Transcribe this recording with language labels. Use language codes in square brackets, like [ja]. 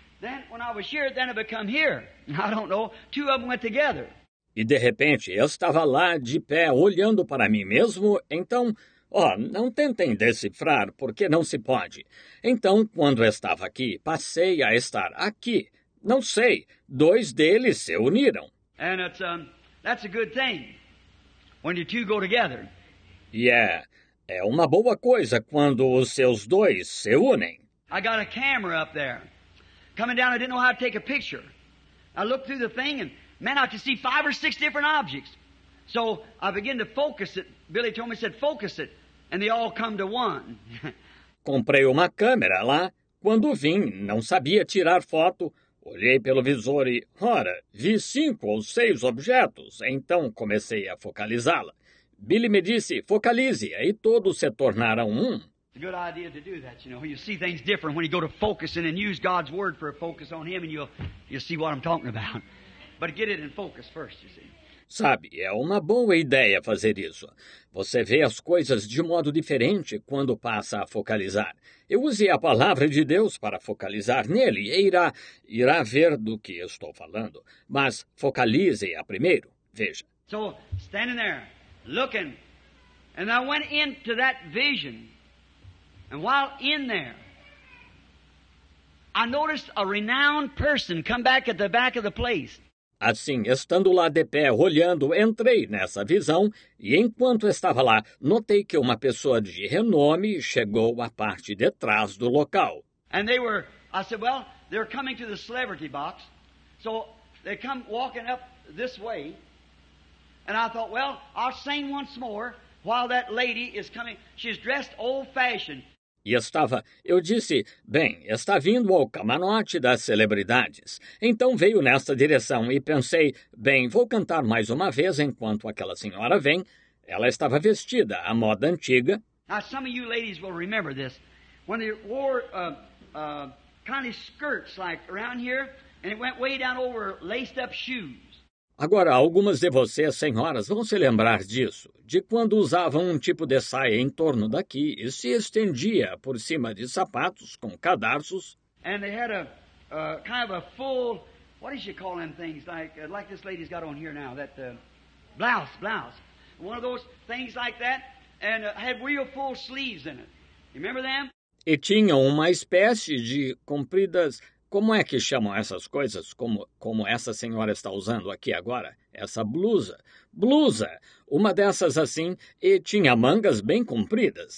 [en] Then, when I was here, then I become here. I don't know, two of them went together. [pt] E de repente, eu estava lá, de pé, olhando para mim mesmo, então... Oh, não tentem decifrar, porque não se pode. Então, quando estava aqui, passei a estar aqui. Não sei, dois deles se uniram. [en] And it's, that's a good thing, when you two go together. [pt] Yeah, é uma boa coisa quando os seus dois se unem. [en] I got a camera up there. Coming down, I didn't know how to take a picture. I looked through the thing and, man, I could see five or six different objects. So I began to focus it. Billy told me, said, focus it. And they all come to one. [pt] Comprei uma câmera lá. Quando vim, não sabia tirar foto. Olhei pelo visor e, ora, vi cinco ou seis objetos. Então comecei a focalizá-la. Billy me disse, focalize. Aí todos se tornaram um. [en] It's a good idea to do that, you know. You see things different when you go to focusing and use God's word for a focus on him and you'll see what I'm talking about. But get it in focus first, you see. [pt] Sabe, é uma boa ideia fazer isso. Você vê as coisas de modo diferente quando passa a focalizar. Eu usei a palavra de Deus para focalizar nele e irá ver do que estou falando. Mas focalize-a primeiro. Veja. [en] So, standing there, looking. And I went into that vision. And while in there, I noticed a renowned person come back at the back of the place. [pt] Assim, estando lá de pé, olhando, entrei nessa visão e, enquanto estava lá, notei que uma pessoa de renome chegou à parte de trás do local. [en] And they were, I said, well, they're coming to the celebrity box. So they come walking up this way. And I thought, well, I'll sing once more while that lady is coming. She's dressed old-fashioned. [pt] E estava, eu disse, bem, está vindo ao camarote das celebridades. Então veio nesta direção e pensei, bem, vou cantar mais uma vez enquanto aquela senhora vem. Ela estava vestida à moda antiga. [en] Now, some of you ladies will remember this. When they wore kind of skirts like around here, and it went way down over laced up shoes. [pt] Agora, algumas de vocês, senhoras, vão se lembrar disso, de quando usavam um tipo de saia em torno daqui e se estendia por cima de sapatos com cadarços. [en] And they had a kind of a full, what do you call them things, like this lady's got on here now, that blouse. One of those things like that, and had real full sleeves in it. Remember them? [pt] E tinham uma espécie de compridas... Como é que chamam essas coisas, como essa senhora está usando aqui agora? Essa blusa. Blusa! Uma dessas assim, e tinha mangas bem compridas.